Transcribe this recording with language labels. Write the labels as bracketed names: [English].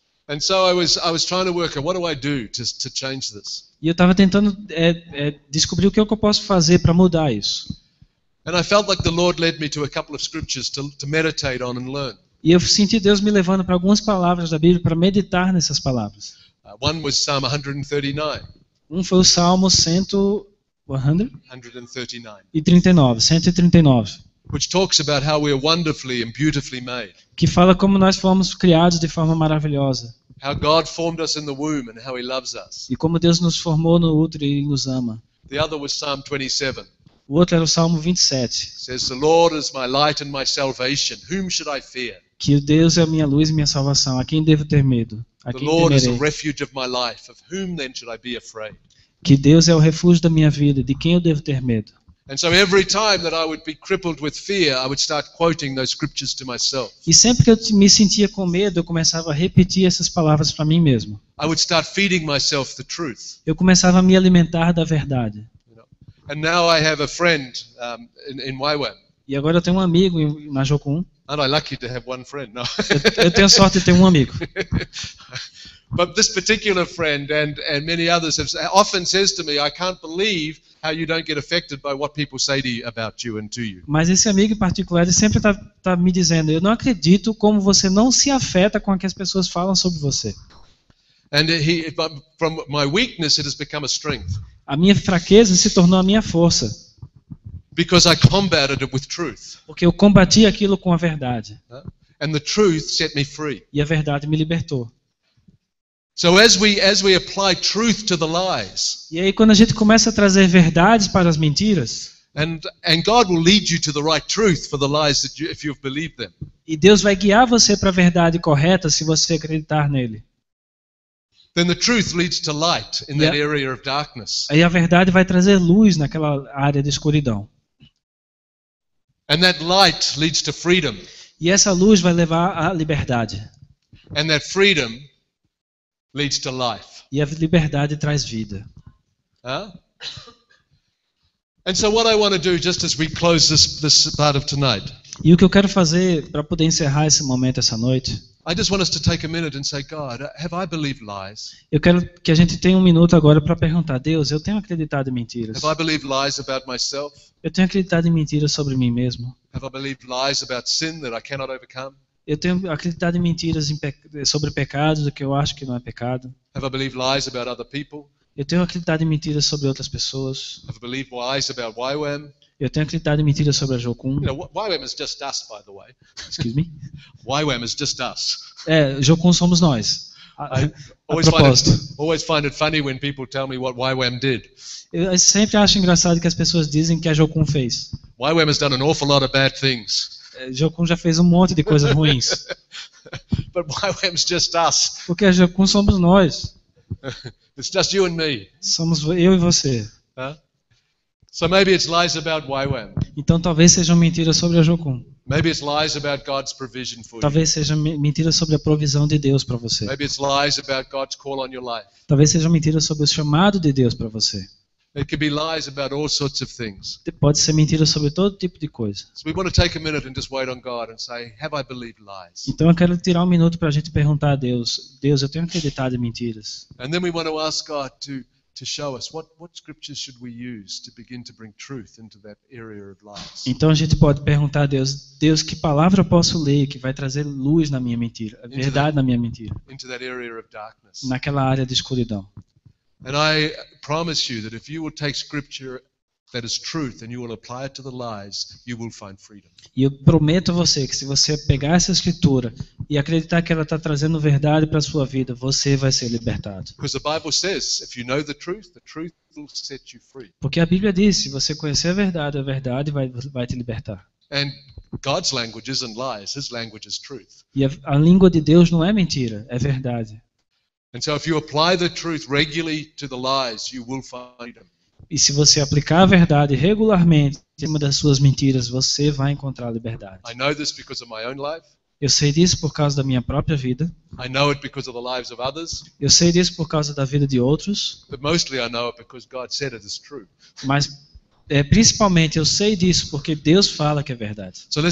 [English] And so I was trying to work out what do I do to change this. [Portuguese] E eu estava tentando descobrir o que eu posso fazer para mudar isso. [English] And I felt like the Lord led me to a couple of scriptures to meditate on and learn. [Portuguese] E eu senti Deus me levando para algumas palavras da Bíblia para meditar nessas palavras. [English] One was Psalm 139. [Portuguese] Foi o Salmo 139. [English] Which talks about how we are wonderfully and beautifully made. [Portuguese] Que fala como nós fomos criados de forma maravilhosa. [English] How God formed us in the womb and how he loves us. [Portuguese] E como Deus nos formou no útero e ele nos ama. [English] The other was Psalm 27. [Portuguese] O outro era o Salmo 27. [English] Says the Lord is my light and my salvation. Whom should I fear? [Portuguese] Que Deus é a minha luz e minha salvação. A quem devo ter medo? A quem temerei? [English] The Lord is the refuge of my life. Of whom then should I be afraid? [Portuguese] Que Deus é o refúgio da minha vida. De quem eu devo ter medo? [English] And so every time that I would be crippled with fear, I would start quoting those scriptures to myself. [Portuguese] E sempre que eu me sentia com medo, eu começava a repetir essas palavras para mim mesmo. [English] I would start feeding myself the truth. [Portuguese] Eu começava a me alimentar da verdade. [English] And now I have a friend in Waiwan. [Portuguese] E agora eu tenho um amigo na Jocum. [English] Aren't I lucky to have one friend? No. [Portuguese] Eu tenho sorte de ter um amigo. [English] But this particular friend and many others have often says to me, I can't believe how you don't get affected by what people say to you about you and to you. [Portuguese] Mas esse amigo em particular sempre tá me dizendo, eu não acredito como você não se afeta com o que as pessoas falam sobre você. [English] And he from my weakness it has become a strength. [Portuguese] A minha fraqueza se tornou a minha força. [English] Because I combated it with truth. [Portuguese] Porque eu combati aquilo com a verdade. [English] And the truth set me free. [Portuguese] E a verdade me libertou. [English] So as we apply truth to the lies. [Portuguese] E aí quando a gente começa a trazer verdades para as mentiras. [English] And God will lead you to the right truth for the lies that you, if you've believed them. [Portuguese] E Deus vai guiar você para a verdade correta se você acreditar nele. [English] Then the truth leads to light in that area of darkness. [Portuguese] Aí a verdade vai trazer luz naquela área de escuridão. [English] And that light leads to freedom. [Portuguese] E essa luz vai levar à liberdade. [English] And that freedom leads to life. [Portuguese] E a liberdade traz vida. [English] And so what I want to do just as we close this part of tonight. [Portuguese] E o que eu quero fazer para poder encerrar esse momento essa noite? [English] I just want us to take a minute and say, God, have I believed lies? [Portuguese] Eu quero que a gente tenha um minuto agora para perguntar, Deus, eu tenho acreditado em mentiras? [English] Have I believed lies about myself? [Portuguese] Eu tenho acreditado em mentiras sobre mim mesmo? [English] Have I believed lies about sin that I cannot overcome? [Portuguese] Eu tenho acreditado em mentiras sobre pecados, do que eu acho que não é pecado? [English] Have I believed lies about other people? [Portuguese] Eu tenho acreditado em mentiras sobre outras pessoas? [English] Have I believed lies about YWAM? [Portuguese] Eu tenho acreditado em mentiras sobre a Jocum. [English] You know, YWAM is just us, by the way. Excuse me? YWAM is just us. [Portuguese] É, Jocum somos nós. [English] Always find it funny when people tell me what YWAM did. [Portuguese] Eu sempre acho engraçado que as pessoas dizem que a Jocum fez. [English] YWAM has done an awful lot of bad things. [Portuguese] Jocum já fez um monte de coisas ruins. [English] But YWAM is just us. [Portuguese] Porque a Jocum somos nós. [English] It's just you and me. [Portuguese] Somos eu e você. [English] So maybe it's lies about YWAM. [Portuguese] Então talvez sejam mentiras sobre a Jocum. [English] Maybe it's lies about God's provision for you. [Portuguese] Talvez sejam mentiras sobre a provisão de Deus para você. [English] Maybe it's lies about God's call on your life. [Portuguese] Talvez sejam mentiras sobre o chamado de Deus para você. [English] It could be lies about all sorts of things. [Portuguese] Pode ser mentira sobre todo tipo de coisa. [English] So we want to take a minute and just wait on God and say, have I believed lies? [Portuguese] Então eu quero tirar um minuto para a gente perguntar a Deus, Deus, eu tenho acreditado em mentiras? [English] And then we want to ask God to show us what scriptures should we use to begin to bring truth into that area of lies. [Portuguese] Então a gente pode perguntar a Deus, Deus, que palavra eu posso ler que vai trazer luz na minha mentira, a verdade na minha mentira? [English] Into that area of darkness. [Portuguese] Naquela área de escuridão. [English] And I promise you that if you will take scripture that is truth and you will apply it to the lies, you will find freedom. [Portuguese] E eu prometo a você que se você pegar essa escritura e acreditar que ela está trazendo verdade para a sua vida, você vai ser libertado. [English] Because the Bible says, if you know the truth will set you free. [Portuguese] Porque a Bíblia diz, se você conhecer a verdade vai te libertar. [English] And God's language isn't lies, his language is truth. [Portuguese] E a língua de Deus não é mentira, é verdade. [English] And so if you apply the truth regularly to the lies, you will find them. [Portuguese] E se você aplicar a verdade regularmente sistema das suas mentiras, você vai encontrar a liberdade. [English] I know this because of my own life. [Portuguese] Eu sei disso por causa da minha própria vida. [English] I know it because of the lives of others. [Portuguese] Eu sei disso por causa da vida de outros. [English] But mostly I know it because God said it is true. [Portuguese] Mas principalmente eu sei disso porque Deus fala que é verdade.